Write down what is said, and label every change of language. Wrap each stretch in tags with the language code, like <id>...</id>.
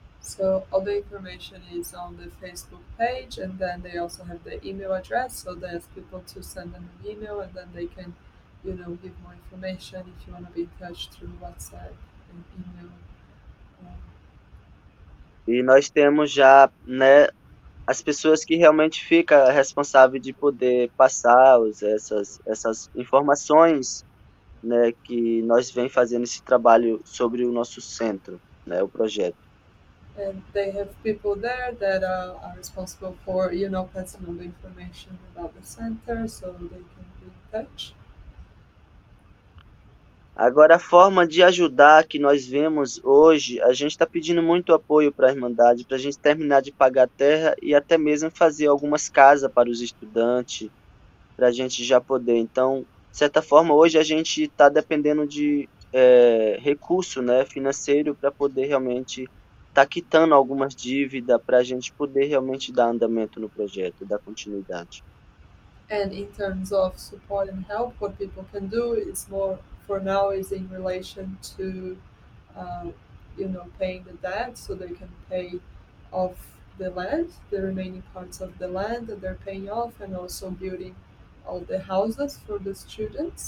<en>so all the information is on the Facebook page, and then they also have the email address, so they ask people to send them an email, and then they can, you know, give more information if you want to be touched through WhatsApp and email.</en> <pt>E nós temos já, né, as pessoas que realmente fica responsável de poder passar essas informações, né, que nós vem fazendo esse trabalho sobre o nosso centro, né, o projeto.</pt> <en>And they have people there that are responsible for, you know, passing on the information about the center so they can be in touch.</en> <pt>Agora, a forma de ajudar que nós vemos hoje, a gente está pedindo muito apoio para a Irmandade, para a gente terminar de pagar a terra e até mesmo fazer algumas casas para os estudantes, para a gente já poder. Então, de certa forma, hoje a gente está dependendo de recurso, né, financeiro para poder realmente estar tá quitando algumas dívidas, para a gente poder realmente dar andamento no projeto, dar continuidade.</pt> <en>And in terms of support and help, what people can do is more for now is in relation to, you know, paying the debt so they can pay off the land, the remaining parts of the land that they're paying off, and also building all the houses for the students.</en>